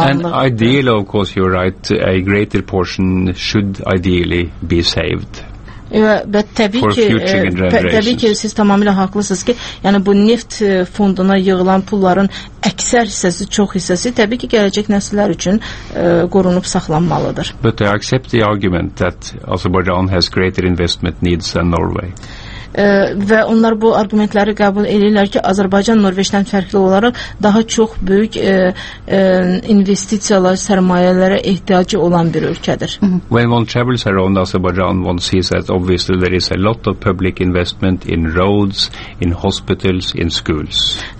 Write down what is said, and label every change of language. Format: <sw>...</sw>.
<en>And ideally, of course, you're right, a greater portion should ideally be saved.</en> <az>Təbii ki, siz tamamilə haqlısınız ki, yəni bu neft fonduna yığılan pulların əksər hissəsi, çox hissəsi təbii ki, gələcək nəsillər üçün qorunub saxlanmalıdır.</az> <en>But I accept the argument that Azerbaijan has greater investment needs than Norway.</en> <az>Və onlar bu argumentləri qəbul edirlər ki, Azərbaycan Norveçdən fərqli olaraq daha çox böyük investisiyalar, sərmayələrə ehtiyacı olan bir ölkədir.</az> <en>When one travels around Azerbaijan, one sees that obviously there is a lot of public investment in roads, in hospitals, in schools.</en>